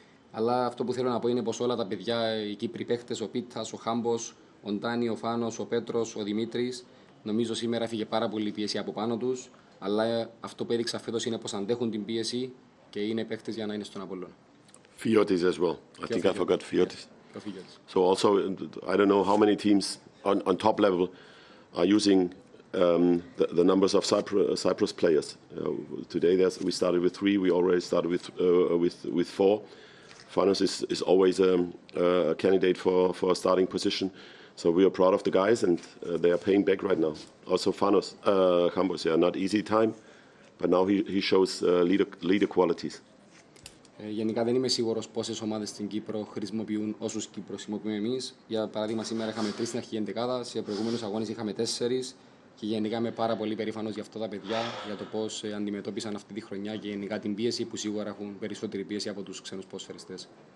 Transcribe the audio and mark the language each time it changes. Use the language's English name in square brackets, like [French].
[Greek] Αλλά αυτό που θέλω να πω είναι πως όλα τα παιδιά, οι Κύπροι παίκτες, ο Πίτας, ο Χάμπος, ο Ντάνι, ο Φάνος, ο Πέτρος, ο Δημήτρης, νομίζω σήμερα έφυγε πάρα πολύ πίεση από πάνω τους. Αλλά αυτό που έδειξα φέτος είναι πως αντέχουν την πίεση και είναι παίκτες για να είναι στον Απόλλων. [English] Φιώτης as well. I think I forgot Φιώτης. So also, I don't know how many teams on top level are using the numbers of Cyprus players. Today we started with three. We already started with four. Fanos is always a candidate for a starting position. So we are proud of the guys, and they are paying back right now. Also Fanos, Hambos, yeah, not easy time, but now he shows leader qualities. [Greek] Γενικά δεν είμαι σίγουρος πόσες ομάδες στην Κύπρο χρησιμοποιούν όσους Κύπρο χρησιμοποιούμε εμείς. Για παράδειγμα, σήμερα είχαμε τρεις στην αρχή ενδεκάδα, σε προηγούμενους αγώνες είχαμε τέσσερις. Και γενικά είμαι πάρα πολύ περήφανος για αυτά τα παιδιά, για το πώς αντιμετώπισαν αυτή τη χρονιά και γενικά την πίεση, που σίγουρα έχουν περισσότερη πίεση από τους ξένους ποδοσφαιριστές.